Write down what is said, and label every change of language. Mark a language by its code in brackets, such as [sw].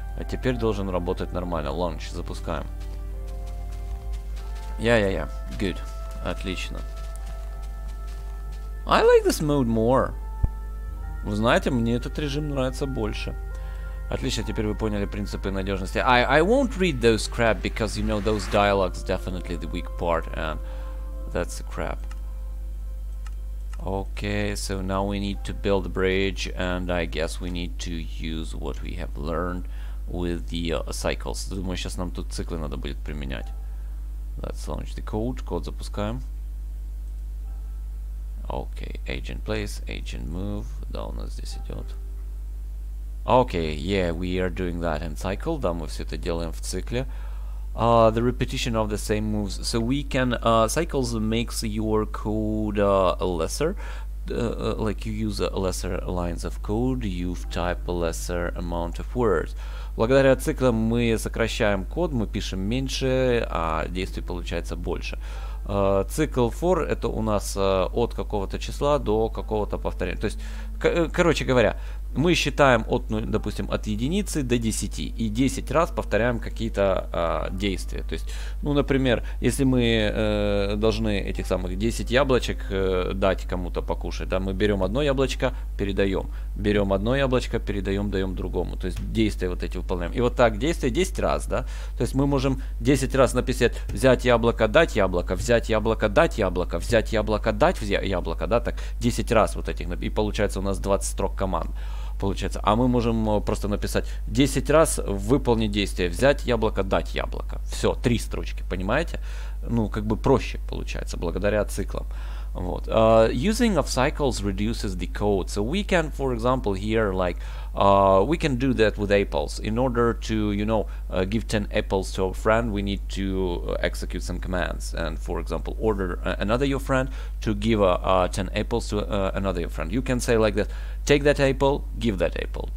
[ru] А теперь должен работать нормально. [en] Launch. [ru] Запускаем. [en] Yeah. Good. [ru] Отлично. [en] I like this mode more. [ru] Вы знаете, мне этот режим нравится больше. Отлично, теперь вы поняли принципы надежности. [en] I won't read those crap, because, you know, those dialogues definitely the weak part, and that's the crap. Okay, so now we need to build a bridge, and I guess we need to use what we have learned with the cycles. [ru] Думаю, сейчас нам тут циклы надо будет применять. [en] Let's launch the code. [ru] Код запускаем. [en] Okay, agent place, agent move. [ru] Да, у нас здесь идет. [en] Okay, yeah, we are doing that in cycle. [ru] Да, мы все это делаем в цикле. [en] The repetition of the same moves. So we can... cycles makes your code lesser. Like you use lesser lines of code, you type a lesser amount of words. [ru] Благодаря циклам мы сокращаем код, мы пишем меньше, а действий получается больше. Цикл for это у нас от какого-то числа до какого-то повторения. То есть, короче говоря, мы считаем от, ну, допустим, от единицы до 10 и 10 раз повторяем какие-то действия. То есть, ну, например, если мы должны этих самых 10 яблочек дать кому-то покушать, да, мы берем одно яблочко, передаем. Берем одно яблочко, передаем, даем другому. То есть действия вот эти выполняем. И вот так действия 10 раз, да. То есть мы можем 10 раз написать взять яблоко, дать яблоко, взять яблоко, дать яблоко, взять яблоко, дать яблоко, да, так 10 раз вот этих. И получается у нас 20 строк команд. Получается. А мы можем просто написать 10 раз выполнить действие. Взять яблоко, дать яблоко. Все, 3 строчки, понимаете? Ну, как бы проще получается, благодаря циклам. [en] Вот. Using of cycles reduces the code. So we can, for example, here, like, we can do that with apples. In order to, you know, give 10 apples to a friend, we need to execute some commands. And, for example, order another your friend to give 10 apples to another your friend. You can say like that, take that apple, give that apple.